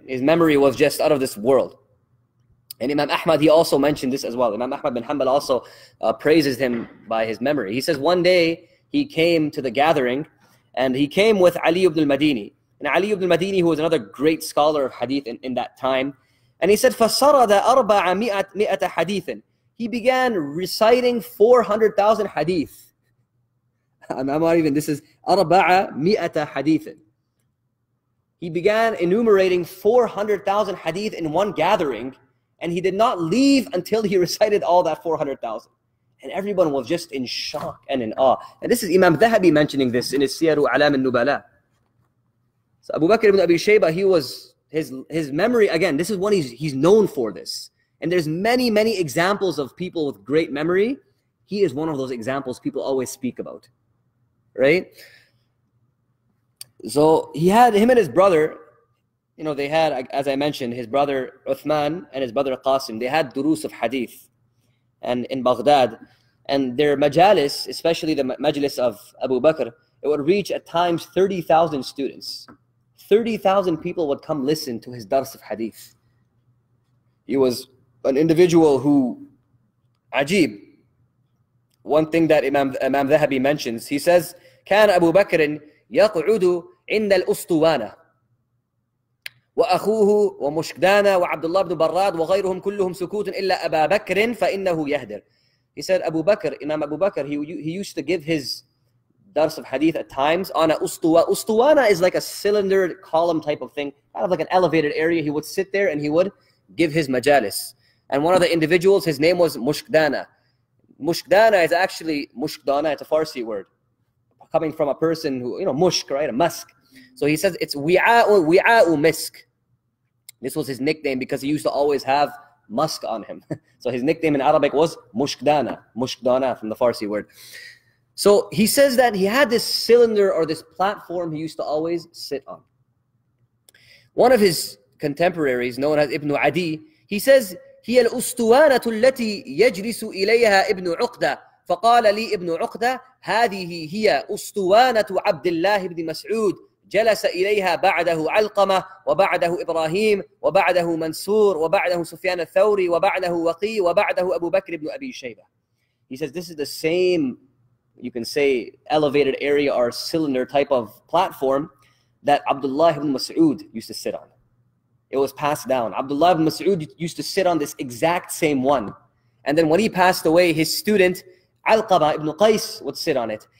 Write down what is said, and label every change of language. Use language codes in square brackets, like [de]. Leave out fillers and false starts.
[en] His memory was just out of this world. And Imam Ahmad, he also mentioned this as well. Imam Ahmad bin Hanbal also praises him by his memory. He says, one day he came to the gathering And he came with Ali ibn al-Madini. And Ali ibn al-Madini, who was another great scholar of hadith in that time. And he said, [ar] فَصَرَدَ أَرْبَعَ مِئَةَ حَدِيثٍ. [en] He began reciting 400,000 hadith. This is [ar] أَرْبَعَ مِئَةَ حَدِيثٍ. [en] He began enumerating 400,000 hadith in one gathering, and he did not leave until he recited all that 400,000. And everyone was just in shock and in awe. And this is Imam Dhahabi mentioning this in his Siyaru Alam al-Nubala. So Abu Bakr ibn Abi Shayba, he was, his memory, again, this is what he's known for this. And there's many, many examples of people with great memory. He is one of those examples people always speak about, right? So he had him and his brother, you know, they had, as I mentioned, his brother Uthman and his brother Qasim, they had durus of hadith and in Baghdad. And their majalis, especially the majlis of Abu Bakr, it would reach at times 30,000 students. 30,000 people would come listen to his dars of hadith. He was an individual who, ajib, one thing that Imam Dhahabi mentions, he says, [ar] كان أبو بكر يقعد عند الأسطوانة وأخوه ومشكدانة وعبد الله بن براد وغيرهم كلهم سكوت إلا أبا بكر فإنه يهدر. [en] He said, Abu Bakr, Imam Abu Bakr, he used to give his dars of hadith at times on a ustuwana. Ustuwana is like a cylinder column type of thing, kind of like an elevated area. He would sit there and he would give his majalis. And one of the individuals, his name was Mushkdana. Mushkdana is actually Mushkdana, it's a Farsi word, coming from a person who, you know, mushk, right? A musk. So he says it's wi'a'u misk. This was his nickname because he used to always have musk on him. So his nickname in Arabic was Mushkdana. Mushkdana from the Farsi word. So he says that he had this cylinder or this platform he used to always sit on. One of his contemporaries, known as Ibn Adi, he says, [ar] هي الأسطوانة التي يجلس إليها ابن عقدة فقال لي ابن عقدة هذه هي أسطوانة عبد الله بن مسعود جلس إليها بعده علقمة وبعده إبراهيم وبعده منصور وبعده سفيان الثوري وبعده وقي وبعده أبو بكر بن أبي شيبة. [en] He says this is the same, you can say, elevated area or cylinder type of platform that Abdullah ibn Mas'ud used to sit on. It was passed down. Abdullah ibn Mas'ud used to sit on this exact same one. And then when he passed away, his student Alqaba ibn Qais would sit on it.